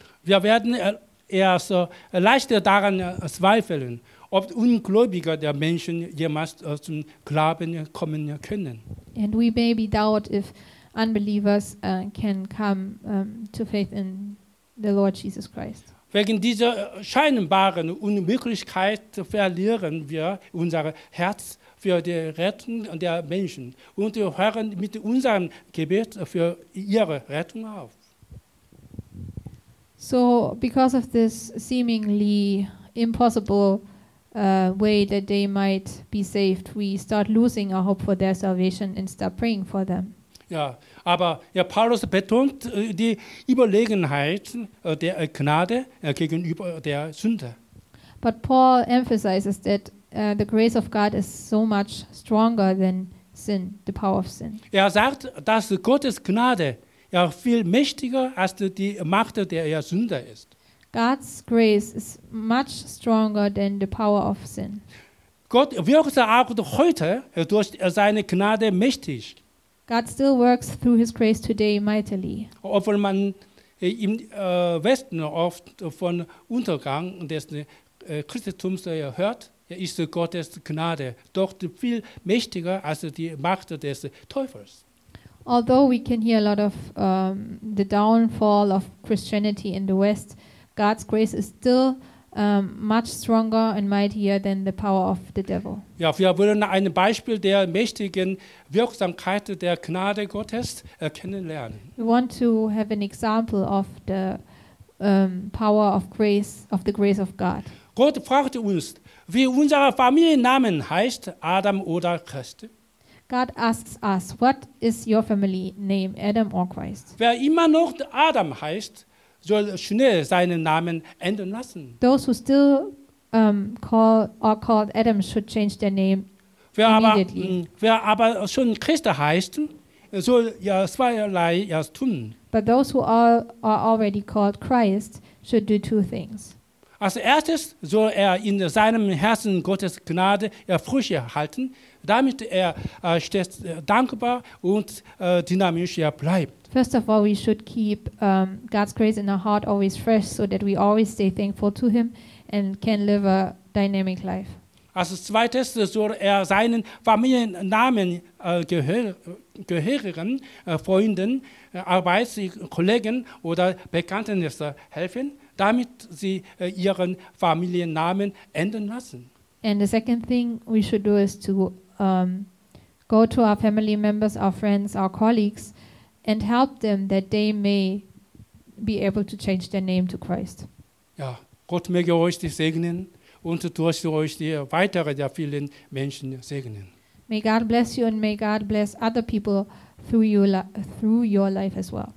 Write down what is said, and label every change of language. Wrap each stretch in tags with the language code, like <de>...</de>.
<de>Wir werden erst leichter daran zweifeln, ob Ungläubige der Menschen jemals zum Glauben kommen können.</de> <en>And we may be doubt if unbelievers can come to faith in the Lord Jesus Christ.</en> <de>Wegen dieser scheinbaren Unmöglichkeit verlieren wir unser Herz für die Rettung der Menschen und wir hören mit unserem Gebet für ihre Rettung auf.</de> <en>So, because of this seemingly impossible way that they might be saved, we start losing our hope for their salvation and start praying for them.</en> <de>Ja, aber Paulus betont die Überlegenheit der Gnade gegenüber der Sünde.</de> <en>But Paul emphasizes that the grace of God is so much stronger than sin, the power of sin.</en> <de>Er sagt, dass Gottes Gnade viel mächtiger als die Macht der Sünde ist.</de> <en>God's grace is much stronger than the power of sin.</en> <de>Gott wirkt auch heute durch seine Gnade mächtig.</de> <en>God still works through his grace today mightily.</en> <de>Obwohl man im Westen oft von Untergang des Christentums hört, ist Gottes Gnade doch viel mächtiger als die Macht des Teufels.</de> <en>Although we can hear a lot of the downfall of Christianity in the West, God's grace is still much stronger and mightier than the power of the devil.</en> <de>Ja, wir wollen ein Beispiel der mächtigen Wirksamkeit der Gnade Gottes kennenlernen.</de> <en>We want to have an example of the power of grace, of the grace of God.</en> <de>Gott fragte uns, wie unser Familiennamen heißt, Adam oder Christ.</de> <en>God asks us, what is your family name, Adam or Christ?</en> <de>Wer immer noch Adam heißt, soll schnell seinen Namen ändern lassen.</de> <en>Those who still call or called Adam should change their name immediately.</en> <de>Wer aber schon Christ heißt, soll ja zweierlei erst tun.</de> <en>But those who are already called Christ should do two things.</en> <de>Als erstes soll er in seinem Herzen Gottes Gnade Früchte halten, damit er stets dankbar und dynamisch bleibt.</de> <en>First of all, we should keep God's grace in our heart always fresh, so that we always stay thankful to him and can live a dynamic life.</en> <de>Als zweites soll er seinen Familiennamen gehörigen Freunden, Arbeitskollegen oder Bekannten helfen, damit sie ihren Familiennamen ändern lassen.</de> <en>And the second thing we should do is to go to our family members, our friends, our colleagues and help them that they may be able to change their name to Christ.</en> <de>Ja, Gott möge euch die segnen und durch euch die weitere der vielen Menschen segnen.</de> <en>May God bless you and may God bless other people through your life as well.</en>